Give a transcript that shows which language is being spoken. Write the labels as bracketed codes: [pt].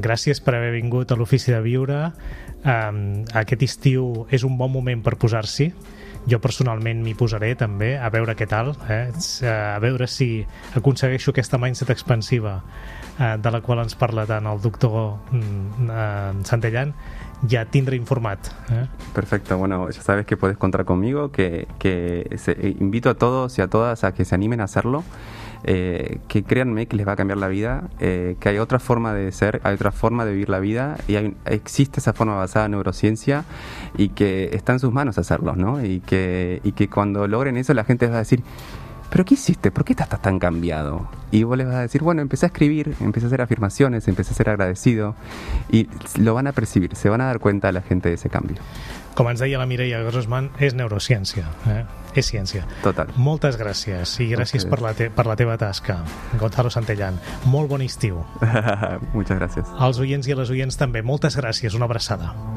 [ca] Gràcies per haver vingut a l'Ofici de Viure. Aquest estiu és un bon moment per posar-s'hi. Jo personalment m'hi posaré també, a veure què tal, a veure si aconsegueixo aquesta mindset expansiva de la qual ens parla tant el doctor Santellán. [es] Ya tendré informado. Perfecto, bueno, ya sabes que puedes contar conmigo, que invito a todos y a todas a que se animen a hacerlo, que créanme que les va a cambiar la vida, que hay otra forma de ser, hay otra forma de vivir la vida, y existe esa forma basada en neurociencia, y que está en sus manos hacerlo, ¿no? Y que cuando logren eso, la gente va a decir, ¿pero qué hiciste? ¿Por qué estás tan cambiado? Y vos les vas a decir, bueno, empecé a escribir, empecé a hacer afirmaciones, empecé a ser agradecido, y lo van a percibir, se van a dar cuenta la gente de ese cambio. [ca] com ens deia la Mireia Grossman, és neurociència, eh? És ciència. Total. Moltes gràcies i gràcies per la, per la teva tasca, Gonzalo Santellán. Molt bon estiu. Moltes gràcies. Als oients i a les oients també, moltes gràcies, una abraçada.